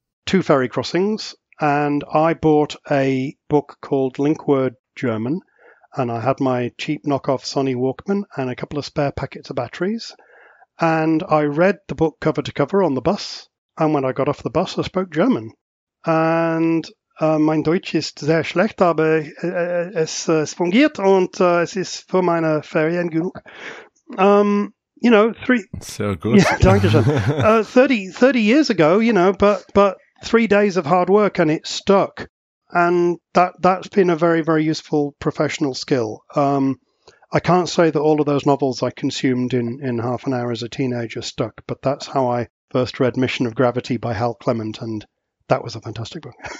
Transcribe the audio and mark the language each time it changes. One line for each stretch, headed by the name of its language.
English: Two ferry crossings, and I bought a book called Linkword German, and I had my cheap knockoff Sony Walkman and a couple of spare packets of batteries. And I read the book cover to cover on the bus. And when I got off the bus, I spoke German.
German: And mein Deutsch ist sehr schlecht, aber es fungiert und es ist für meine Ferien genug.
English: You know, three... So good.
German: Yeah, danke schön.
English: 30 years ago, you know, but 3 days of hard work and it stuck. And that's been a very, very useful professional skill. I can't say that all of those novels I consumed in half an hour as a teenager stuck, but that's how I first read Mission of Gravity by Hal Clement, and that was a fantastic book.